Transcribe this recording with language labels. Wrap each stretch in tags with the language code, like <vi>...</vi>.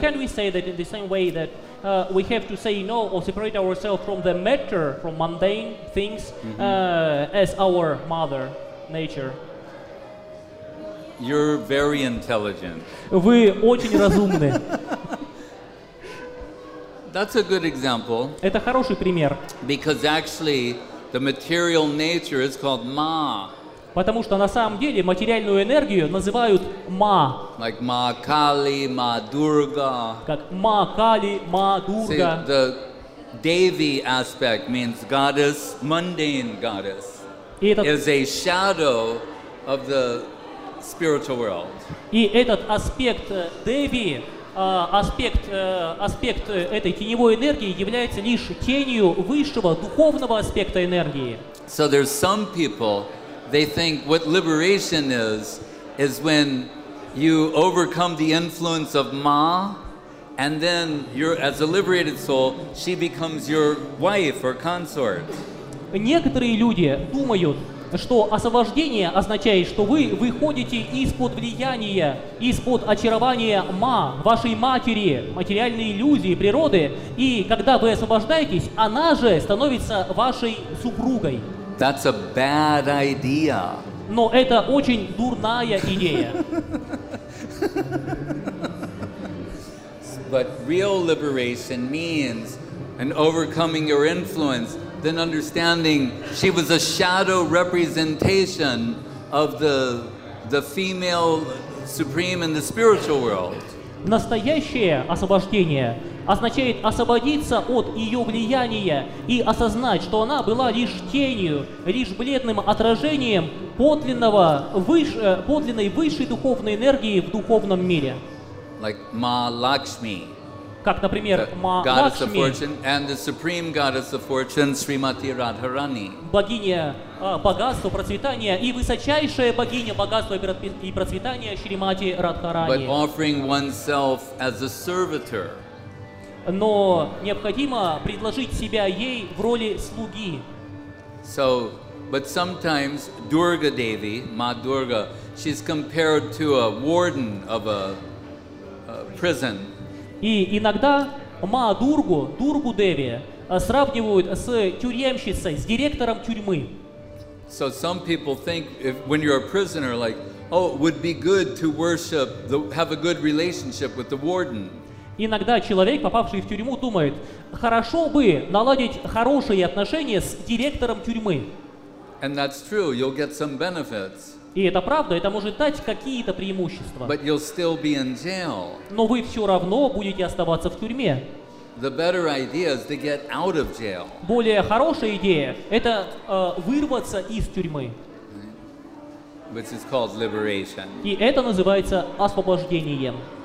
<en>Can we say that in the same way that we have to say no or separate ourselves from the matter, from mundane things, as our mother nature? You're very intelligent.</en> <ru>Вы очень разумны.</ru> <en>That's a good example.</en> <ru>Это хороший пример.</ru> <en>Because actually, the material nature is called ma.</en> <ru>Потому что на самом деле материальную энергию называют ма.</ru> <en>Like ma kali, ma durga.</en> <ru>Как ма кали, ма дурга.</ru> <en>See, the devi aspect means goddess, mundane goddess. Is a shadow of the spiritual world.</en> <ru>И этот аспект деви. Аспект этой теневой энергии является лишь тенью высшего духовного аспекта энергии.</ru> <en>So there's some people, they think what liberation is when you overcome the influence of Ma, and then you're as a liberated soul, she becomes your wife or consort.</en> <ru>Некоторые люди думают, что освобождение означает, что вы выходите из-под влияния, из-под очарования ма, вашей матери, материальной иллюзии, природы, и когда вы освобождаетесь, она же становится вашей супругой.</ru> <en>That's a bad idea.</en> <ru>Но это очень дурная идея.</ru> <en>But real liberation means an overcoming your influence. Then understanding she was a shadow representation of the female supreme in the spiritual world.</en> <ru>Настоящее освобождение означает освободиться от ее влияния и осознать, что она была лишь тенью, лишь бледным отражением подлинной высшей духовной энергии в духовном мире.</ru> <en>Like Ma Lakshmi.</en> <ru>Как, например,</ru> <en>Goddess of Fortune and the Supreme Goddess of Fortune, Srimati Radharani.</en> <ru>Богиня богатства, процветания и высочайшая богиня богатства и процветания Шримати Радхарани.</ru> <en>But offering oneself as a servitor.</en> <ru>Но необходимо предложить себя ей в роли слуги.</ru> <en>So, but sometimes Durga Devi, Ma Durga, she's compared to a warden of a prison.</en> <ru>И иногда Ма Дургу, Дургу Деви, сравнивают с тюремщицей, с директором тюрьмы.</ru> <en>So some people think if, when you're a prisoner, like, oh, it would be good to worship, have a good relationship with the warden.</en> <ru>Иногда человек, попавший в тюрьму, думает, хорошо бы наладить хорошие отношения с директором тюрьмы.</ru> <en>And that's true, you'll get some benefits.</en> <ru>И это правда, это может дать какие-то преимущества.</ru> <en>But you'll still be in jail.</en> <ru>Но вы все равно будете оставаться в тюрьме.</ru> <en>The better idea is to get out of jail.</en> <ru>Более хорошая идея – это вырваться из тюрьмы.</ru> <en>Which is called liberation.</en> <ru>И это называется освобождением.</ru>